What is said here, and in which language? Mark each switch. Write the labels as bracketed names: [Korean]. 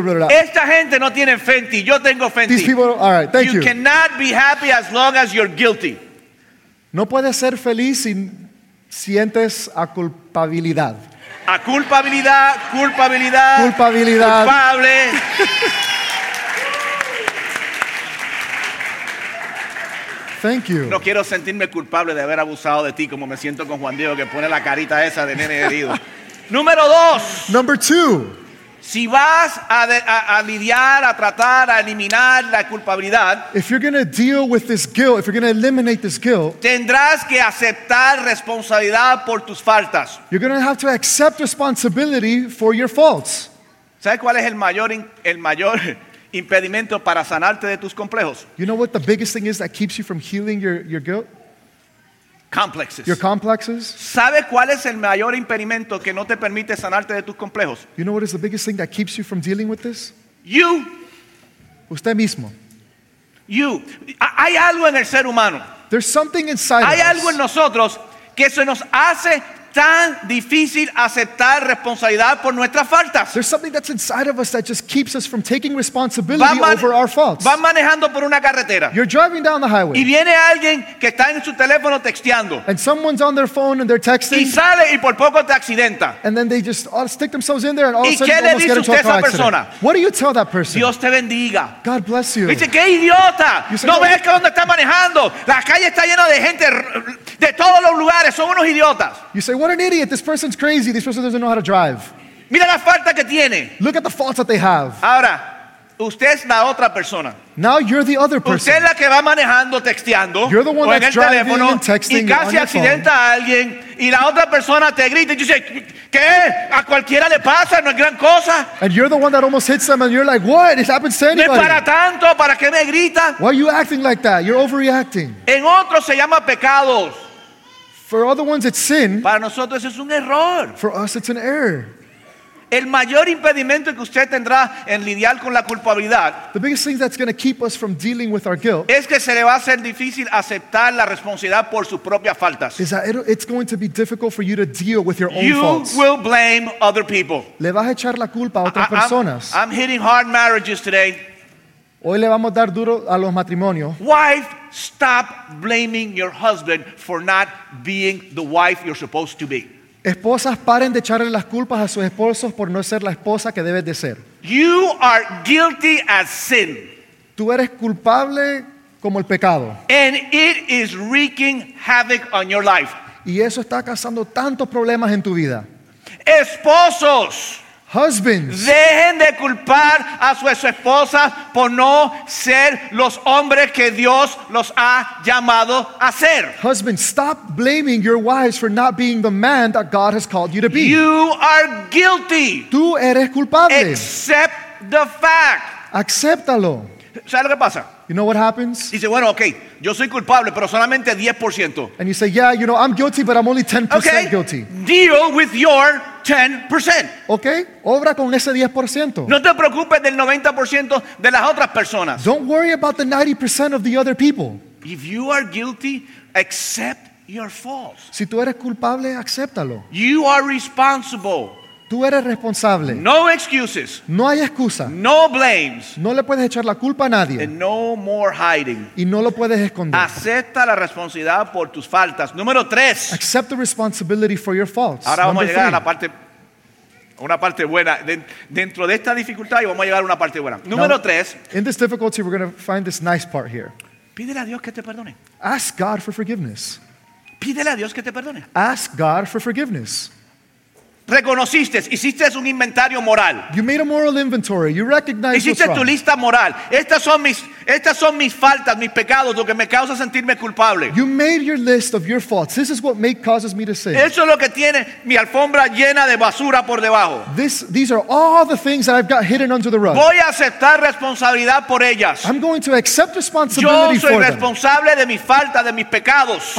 [Spanish] Esta gente no tiene fe en ti, yo tengo fe en ti. [English] These people, all right, thank you. You cannot be happy as long as you're guilty. [Spanish] No puedes ser feliz si sientes a culpabilidad. A culpabilidad, culpabilidad. Culpabilidad. Culpable. [English] Thank you. [Spanish] No quiero sentirme culpable de haber abusado de ti como me siento con Juan Diego que pone la carita esa de nene herido. Número dos. [English] Number two. [Spanish] Si vas a lidiar, a tratar, a eliminar la culpabilidad. [English] If you're going to deal with this guilt, if you're going to eliminate this guilt. [Spanish] Tendrás que aceptar responsabilidad por tus faltas. [English] You're going to have to accept responsibility for your faults. [Spanish] ¿Sabes cuál es el mayor impedimento para sanarte de tus complejos? [English] You know what the biggest thing is that keeps you from healing your guilt? Complexes. Your complexes. [Spanish] ¿Sabe cuál es el mayor impedimento que no te permite sanarte de tus complejos? [English] You know what is the biggest thing that keeps you from dealing with this? You. [Spanish] Usted mismo. [English] You. [Spanish] Hay algo en el ser humano. [English] There's something inside of us. [Spanish] Hay algo en nosotros que se nos hace tan difícil aceptar responsabilidad por nuestras faltas. [English] There's something that's inside of us that just keeps us from taking responsibility over our faults. [Spanish] Van manejando por una carretera. [English] You're driving down the highway. [Spanish] Y viene alguien que está en su teléfono texteando. [English] And someone's on their phone and they're texting. [Spanish] Y sale y por poco te accidenta. [English] And then they just all stick themselves in there and all of a sudden almost get into a car accident. [Spanish] Persona? [English] What do you tell that person? [Spanish] Dios te bendiga. [English] God bless you. [Spanish] Dice, qué idiota. No ves que dónde está manejando. La calle está llena de gente de todos los lugares. Son unos idiotas. [English] You say, what an idiot. This person's crazy. This person doesn't know how to drive. [Spanish] Mira la falta que tiene. [English] Look at the faults that they have. [Spanish] Ahora, usted es la otra persona. [English] Now you're the other person. [Spanish] Usted es la que va manejando, texteando. [English] You're the one that's driving [Spanish] teléfono, [English] and texting [Spanish] y casi [English] on [Spanish] accidenta [English] phone. [Spanish] A alguien y la otra persona te grita y dice, ¿qué? A cualquiera le pasa, no es gran cosa. [English] And you're the one that almost hits them and you're like, what? It happens to anybody. [Spanish] No es para tanto, ¿para qué me grita? [English] Why are you acting like that? You're overreacting. [Spanish] En otros se llama pecados. [English] For other ones, it's sin. [Spanish] Para nosotros es un error. [English] For us, it's an error. [Spanish] El mayor impedimento que usted tendrá en lidiar con la culpabilidad. [English] The biggest thing that's going to keep us from dealing with our guilt. [Spanish] Es que se le va a ser difícil aceptar la responsabilidad por sus propias faltas. [English] Is that it's going to be difficult for you to deal with your own you faults. You will blame other people. [Spanish] Le vas a echar la culpa a otras personas. [English] I'm hitting hard marriages today. [Spanish] Hoy le vamos a dar duro a los matrimonios. [English] Wife, stop blaming your husband for not being the wife you're supposed to be. [Spanish] Esposas, paren de echarle las culpas a sus esposos por no ser la esposa que debes de ser. [English] You are guilty as sin. [Spanish] Tú eres culpable como el pecado. [English] And it is wreaking havoc on your life. [Spanish] Y eso está causando tantos problemas en tu vida. Esposos. [English] Husbands, [Spanish] dejen de culpar a sus esposas por no ser los hombres que Dios los ha llamado a ser. [English] Husbands, stop blaming your wives for not being the man that God has called you to be. You are guilty. [Spanish] Tú eres culpable. [English] Accept the fact. [Spanish] Acéptalo. ¿Sabes lo que pasa? [English] You know what happens? [Spanish] Dice, bueno, okay, yo soy culpable, pero solamente 10%. [English] And you say, yeah, you know, I'm guilty, but I'm only 10% okay, guilty. Deal with your 10%. [Spanish] Okay, obra con ese 10%. No te preocupes del 90% de las otras personas. [English] Don't worry about the 90% of the other people. If you are guilty, accept your fault. [Spanish] Si tú eres culpable, acéptalo. [English] You are responsible. [Spanish] Tú eres responsable. [English] No excuses. [Spanish] No hay excusa. [English] No blames. [Spanish] No le puedes echar la culpa a nadie. [English] And no more hiding. [Spanish] Y no lo puedes esconder. Acepta la responsabilidad por tus faltas. Número tres. [English] Accept the responsibility for your faults. [Spanish] Ahora vamos a llegar a la parte, una parte buena dentro de esta dificultad, y vamos a llegar a una parte buena. Número tres. [English] In this difficulty, we're going to find this nice part here. [Spanish] Pídele a Dios que te perdone. [English] Ask God for forgiveness. [Spanish] Pídele a Dios que te perdone. [English] Ask God for forgiveness. [Spanish] Reconociste, hiciste un inventario moral. [English] You made a moral inventory. You recognized what's wrong. [Spanish] Hiciste tu lista moral. Estas son mis faltas, mis pecados, lo que me causa sentirme culpable. [English] You made your list of your faults. This is what causes me to sin. [Spanish] Eso es lo que tiene mi alfombra llena de basura por debajo. [English] These are all the things that I've got hidden under the rug. [Spanish] Voy a aceptar responsabilidad por ellas. [English] I'm going to accept responsibility for them. [Spanish] Yo soy responsable de mis faltas, de mis pecados.